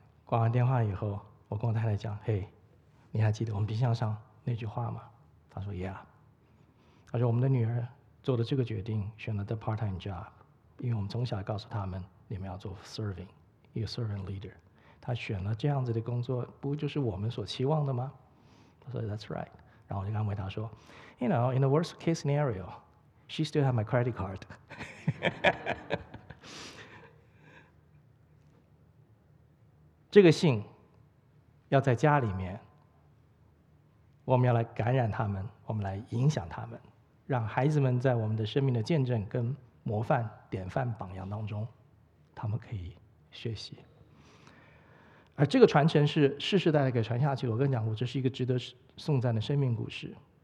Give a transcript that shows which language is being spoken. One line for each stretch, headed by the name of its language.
Chinese: 挂完电话以后，我跟我太太讲：“嘿，你还记得我们冰箱上那句话吗？” 她说 ：“Yeah。” 她说我们的女儿做的这个决定，选了
English: the part-time job，
Chinese: 因为我们从小告诉他们，你们要做 serving，
English: you servant leader。
Chinese: 他选了这样子的工作，不就是我们所期望的吗？
English: 我说 that's right。
Chinese: 然后我就安慰他说
English: ，you know， in the worst case scenario， she still have my credit card 。
Chinese: 这个信要在家里面，我们要来感染他们，我们来影响他们。让孩子们在我们的生命的见证跟模范典范榜样当中，他们可以学习。而这个传承是世世代代给传下去的。我跟你讲过，这是一个值得颂赞的生命故事。